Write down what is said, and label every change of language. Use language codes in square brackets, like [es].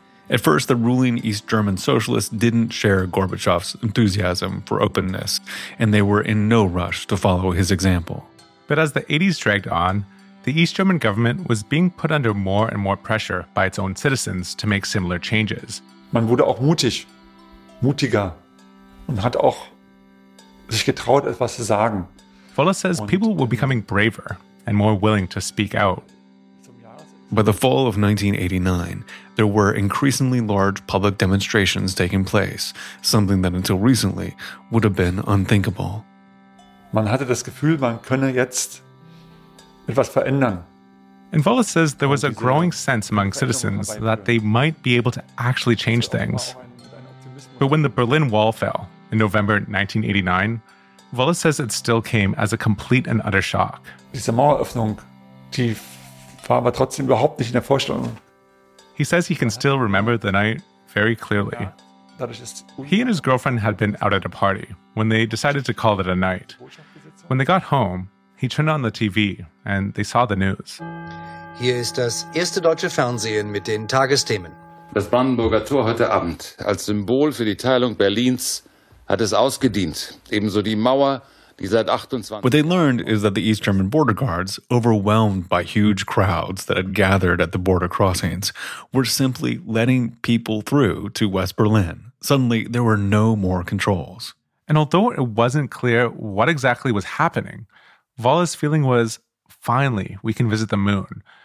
[en] At first, the ruling East German socialists didn't share Gorbachev's enthusiasm for openness, and they were in no rush to follow his example. But as the 80s dragged on, the East German government was being put under more and more pressure by its own citizens to make similar changes. [de] Man wurde auch mutig, mutiger, und hat auch sich getraut, etwas zu sagen. [en] Voller says people were becoming braver and more willing to speak out. By the fall of 1989, there were increasingly large public demonstrations taking place, something that until recently would have been unthinkable. [de] Man hatte das Gefühl, man könne jetzt etwas verändern. [en] And Voller says there was a growing sense among citizens that they might be able to actually change things. But when the Berlin Wall fell in November 1989, Voller says it still came as a complete and utter shock. [de] Diese Maueröffnung, die war aber trotzdem überhaupt nicht in der Vorstellung. [en] He says he can still remember the night very clearly. He and his girlfriend had been out at a party when they decided to call it a night. When they got home, he turned on the TV and they saw the news. [de] Hier ist das erste deutsche Fernsehen mit den Tagesthemen. Das Brandenburger Tor heute Abend als Symbol für die Teilung Berlins hat es ausgedient. Ebenso die Mauer. [en] What they learned is that the East German border guards, overwhelmed by huge crowds that had gathered at the border crossings, were simply letting people through to West Berlin. Suddenly, there were no more controls. And although it wasn't clear what exactly was happening, Vola's feeling was, finally, we can visit the moon.